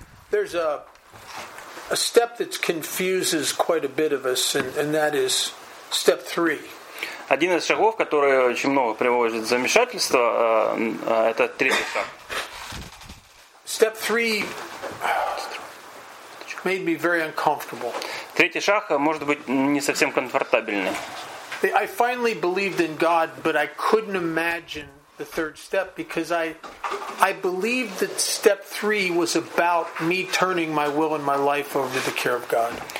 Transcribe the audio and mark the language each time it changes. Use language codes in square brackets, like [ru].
[en] There's a step that confuses quite a bit of us, and that is step three. [ru] Один из шагов, который очень много приводит в замешательство, это третий шаг. [en] Step three made me very uncomfortable. [ru] Третий шаг может быть не совсем комфортабельный. [en] I finally believed in God, but I couldn't imagine the third step because I believed that step three was about me turning my will and my life over to the care of God.